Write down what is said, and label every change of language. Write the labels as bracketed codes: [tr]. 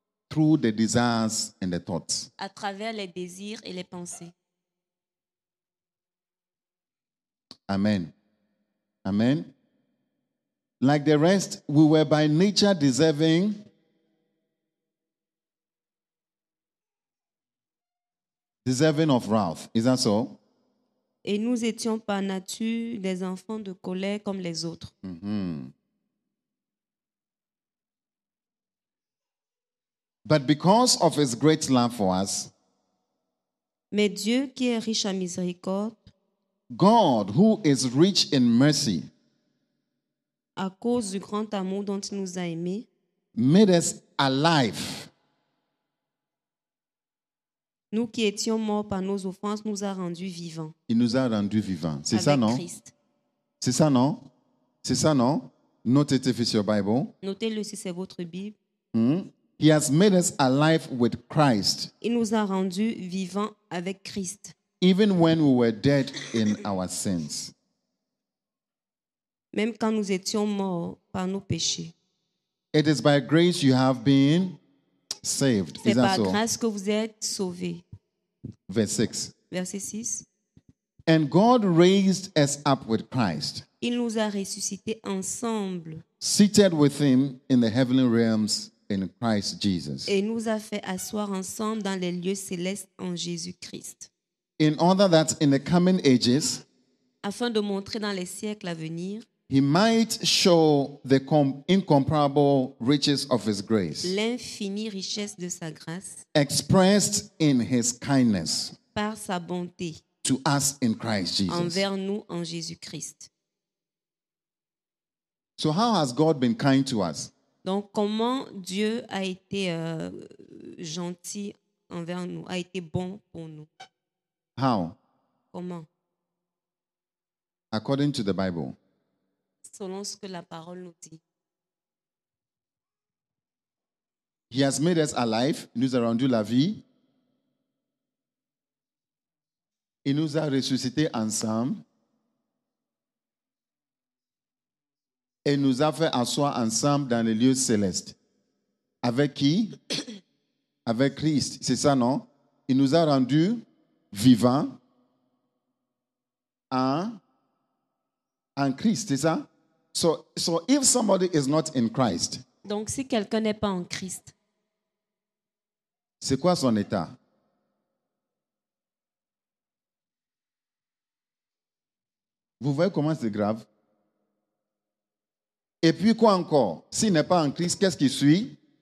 [en] Through the desires and the thoughts. [fr] À travers les désirs et les pensées. [en] Amen. Like the rest, we were by nature deserving. Deserving. deserving of wrath. Is that so? [fr] Et nous étions par nature des enfants de colère comme les autres. Mm-hmm. [en] But because of his great love for us, [fr] mais Dieu qui est riche en miséricorde, [en] God who is rich in mercy, [fr] à cause du grand amour dont il nous a aimés, [en] made us alive. [fr] Nous qui étions morts par nos offenses, nous a rendus vivants. Il nous a rendus vivants. C'est avec ça, non? Christ. C'est ça, non? C'est ça, non? Notez [en] if it's your Bible. [fr] Notez-le si c'est votre Bible. Mm-hmm. [en] He has made us alive with Christ. [fr] Il nous a rendus vivants avec Christ. [en] Even when we were dead in our sins. [fr] Même quand nous étions morts par nos péchés. [en] It is by grace you have been saved. [fr] C'est [en] is that so? [fr] Grâce que vous êtes sauvés. Verset 6. [en] And God raised us up with Christ. [fr] Il nous a ressuscités ensemble. [en] Seated with him in the heavenly realms in Christ Jesus. [fr] Et nous a fait asseoir ensemble dans les lieux célestes en Jésus-Christ. [en] In order that in the coming ages, [fr] afin de montrer dans les siècles à venir, [en] he might show the incomparable riches of his grace, [fr] l'infinie richesse de sa grâce, [en] expressed in his kindness, [fr] par sa bonté, [en] to us in Christ Jesus, [fr] envers nous en Jésus-Christ. [en] So how has God been kind to us? [fr] Donc comment Dieu a été gentil envers nous, a été bon pour nous? [en] How? [fr] Comment? According to the Bible. Selon ce que la parole nous dit. [en] He has made us alive. [fr] Il nous a rendu la vie. Il nous a ressuscité ensemble. Et nous a fait asseoir ensemble dans les lieux célestes. Avec qui? Avec Christ. C'est ça, non? Il nous a rendu vivant en Christ, c'est ça? [en] So if somebody is not in Christ, [fr] donc si quelqu'un n'est pas en Christ, c'est quoi son état? Vous voyez comment c'est grave? Et puis quoi encore? S'il n'est pas en Christ, qu'est-ce qui suit?